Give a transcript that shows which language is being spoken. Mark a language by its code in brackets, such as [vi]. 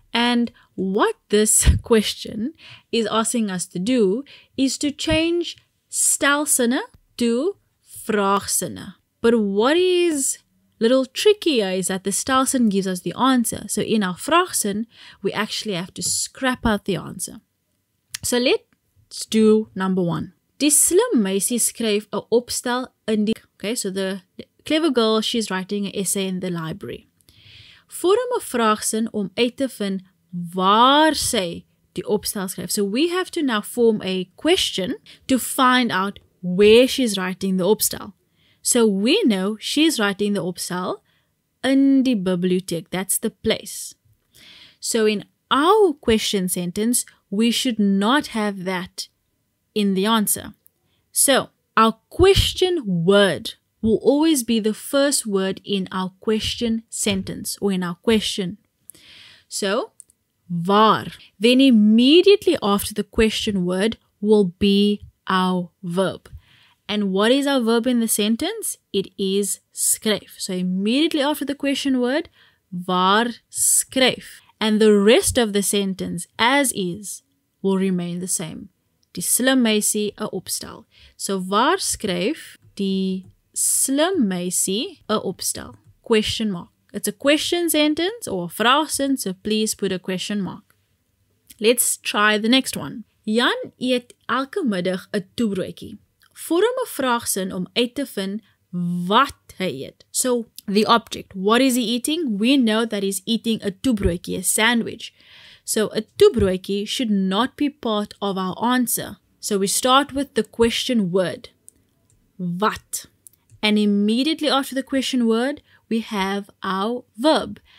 [en] And what this question is asking us to do is to change Stelsinne to Vraagsinne. But what is a little trickier is that the Stelsinne gives us the answer. So in our Vraagsin, we actually have to scrap out the answer. So let's do number one. [af] Die slim meisie skryf 'n opstel in die... [en] Okay, so the clever girl, she's writing an essay in the library. [af] Vorm 'n vraagsin om uit te vind waar sy die opstel skryf. [en] So we have to now form a question to find out where she's writing the opstel. So we know she's writing the opstel in die bibliotheek. That's the place. So in our question sentence, we should not have that in the answer. So our question word will always be the first word in our question sentence or in our question. So waar, then immediately after the question word will be our verb. And what is our verb in the sentence? It is skryf. So immediately after the question word, waar skryf, and the rest of the sentence as is will remain the same. [af] Die slim meisie 'n opstel. So waar skryf die slim meisie 'n opstel? Question mark. [en] It's a question sentence or a vraagsin, so please put a question mark. [af] Let's try the next one. Jan eet elke middag 'n toebroodjie. Vorm 'n vraagsin om uit te vind wat hy eet. [en] So the object, what is he eating? We know that he's eating a toebroodjie, a sandwich. So, a toebroodjie should not be part of our answer. So, we start with the question word. Wat? And immediately after the question word, we have our verb.